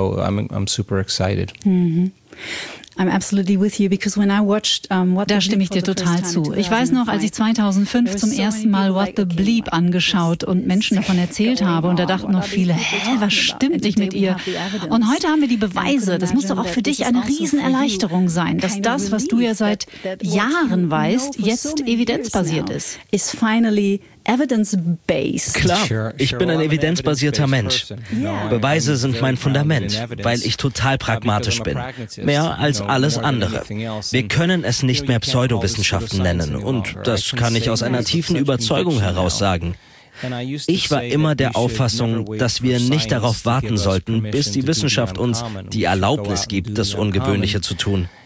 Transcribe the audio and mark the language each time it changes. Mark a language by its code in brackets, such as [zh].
[en] I'm absolutely with you because when I watched What the [de] Bleep. Da stimme ich dir total zu. Ich weiß noch, als ich 2005 zum ersten Mal What the Bleep angeschaut und Menschen davon erzählt habe und da dachten noch viele, hä, was stimmt nicht mit ihr? Und heute haben wir die Beweise. Das muss doch auch für dich eine Riesenerleichterung sein, dass das, was du ja seit Jahren weißt, jetzt evidenzbasiert ist. [en] Is finally evidence-based. [de] Klar, ich bin ein evidenzbasierter Mensch. Beweise sind mein Fundament, weil ich total pragmatisch bin. Mehr als alles andere. Wir können es nicht mehr Pseudowissenschaften nennen, und das kann ich aus einer tiefen Überzeugung heraus sagen. Ich war immer der Auffassung, dass wir nicht darauf warten sollten, bis die Wissenschaft uns die Erlaubnis gibt, das Ungewöhnliche zu tun.